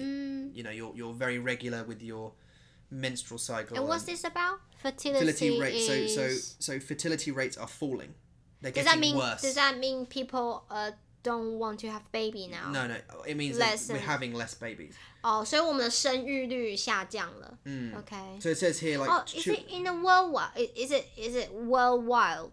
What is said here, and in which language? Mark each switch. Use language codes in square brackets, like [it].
[en] Mm. You know, you're very regular with your menstrual cycle. And what's this about? Fertility rates. Is... So, fertility rates are falling. They're getting worse. Does that mean people are don't want to have baby now. No, no, it means that we're having less babies. [zh] Oh, 所以我们的生育率下降了。 [en] Okay. So it says here like... Oh, is it in the worldwide? Is it worldwide?